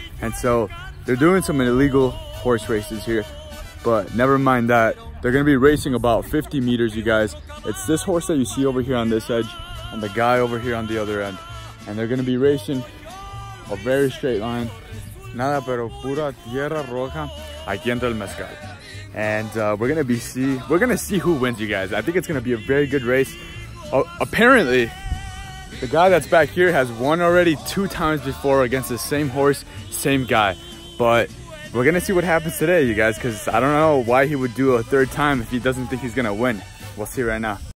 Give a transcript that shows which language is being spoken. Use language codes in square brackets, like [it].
[en] And so they're doing some illegal horse races here, but never mind that. They're gonna be racing about 50 meters, you guys. It's this horse that you see over here on this edge and the guy over here on the other end. And they're gonna be racing a very straight line. [es] Nada pero pura tierra roja, aquí entra el mezcal. [en] And we're gonna see who wins, you guys. I think it's gonna be a very good race. Apparently, the guy that's back here has won already 2 times before against the same horse, same guy. But we're gonna see what happens today, you guys, because I don't know why he would do a third time if he doesn't think he's gonna win. We'll see right now.